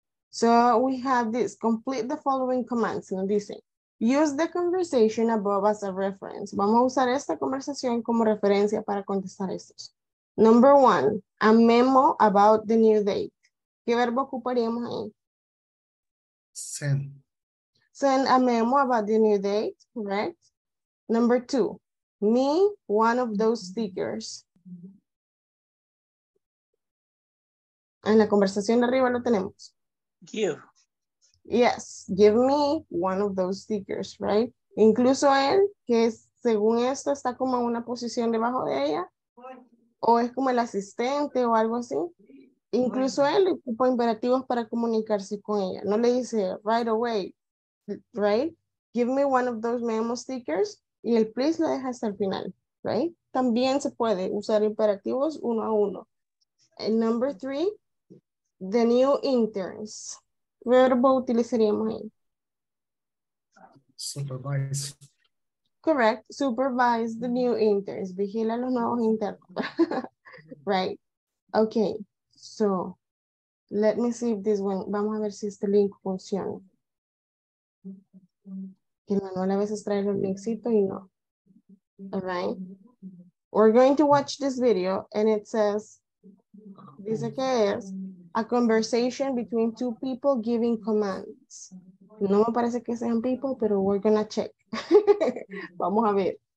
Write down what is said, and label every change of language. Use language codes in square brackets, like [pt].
[en] So we have this, complete the following commands, nos dice. Use the conversation above as a reference. [es] Vamos a usar esta conversación como referencia para contestar estos. [en] Number one, a memo about the new date. ¿Qué verbo ocuparíamos ahí? Send. Send a memo about the new date, correct? Number two, me, one of those stickers. [es] En la conversación de arriba lo tenemos. [en] Give. Yes, give me one of those stickers, right? [es] Incluso él, que según esto está como en una posición debajo de ella, o es como el asistente o algo así. Incluso él ocupa imperativos para comunicarse con ella. No le dice right away, right? Give me one of those memo stickers y el please lo deja hasta el final, right? También se puede usar imperativos uno a uno. [en] And number three, the new interns. [es] Verbo utilizaríamos ahí. [en] Supervise. Correct. Supervise the new interns. Vigila los nuevos internos. Right. Okay. So, let me see if this one. Vamos a ver si este link funciona. [es] Que Manuel a veces trae los linksitos y no. [en] All right. We're going to watch this video and it says, dice que es a conversation between two people giving commands. [es] No me parece que sean people, pero we're gonna check. Vamos a ver.